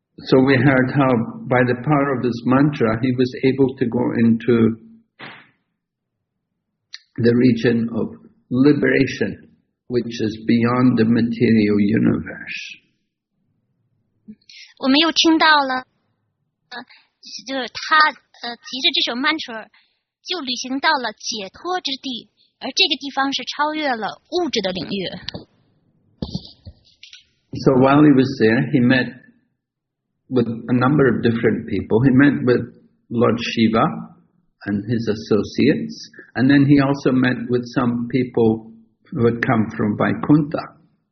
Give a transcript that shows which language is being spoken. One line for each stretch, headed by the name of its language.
English: So we heard how, by the power of this mantra, he was able to go into the region of liberation, which is beyond the material universe.
Chinese: 我们又听到了，就是他，提着这首mantra，就旅行到了解脱之地，而这个地方是超越了物质的领域。
English: So while he was there, he met with a number of different people. He met with Lord Shiva and his associates, and then he also met with some people who had come from Vaikuntha.